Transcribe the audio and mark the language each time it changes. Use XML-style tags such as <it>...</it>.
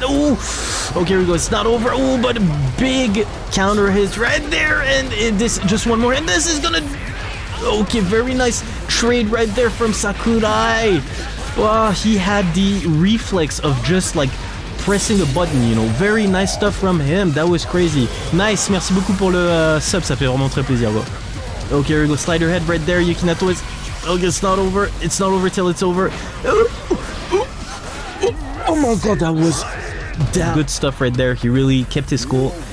<en>Oh, okay, here we go, it's not over. Oh, but big counter hit right there, and this just one more, and this is gonna, okay, very nice trade right there from Sakurai. Wow, he had the reflex of just like pressing a button, you know. Very nice stuff from him. That was crazy nice.</en> <fr>Merci beaucoup pour le sub, ça fait vraiment très plaisir, bro.</fr> <en>Okay, here we go, slider head right there, Yukinato is... Okay, it's not over, it's not over till it's over. Oh my god, that was... Damn. Good stuff right there, he really kept his cool.</en>